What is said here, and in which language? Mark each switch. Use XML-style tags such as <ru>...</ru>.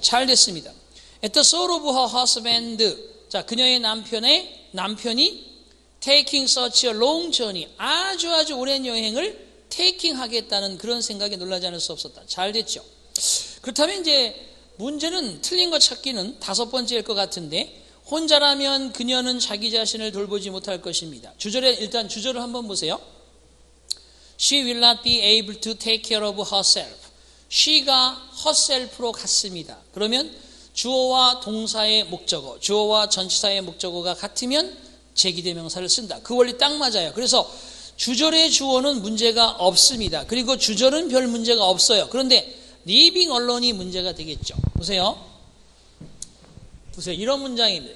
<ko>잘 됐습니다.</ko> <en>At the sort of her husband,</en> <ko>자, 그녀의 남편이</ko> <en>taking such a long journey,</en> <ko>아주 아주 오랜 여행을 taking 하겠다는 그런 생각에 놀라지 않을 수 없었다. 잘 됐죠. 그렇다면 이제 문제는 틀린 거 찾기는 다섯 번째일 것 같은데, 혼자라면 그녀는 자기 자신을 돌보지 못할 것입니다. 주절에 일단 주절을 한번 보세요.</ko> <en>She will not be able to take care of herself.</en> <ko>She가 herself로 갔습니다. 그러면 주어와 동사의 목적어, 주어와 전치사의 목적어가 같으면 제기대명사를 쓴다. 그 원리 딱 맞아요. 그래서 주절의 주어는 문제가 없습니다. 그리고 주절은 별 문제가 없어요. 그런데</ko> <en>living alone</en> <ko>이 문제가 되겠죠. 보세요. 보세요. 이런 문장입니다.</ko>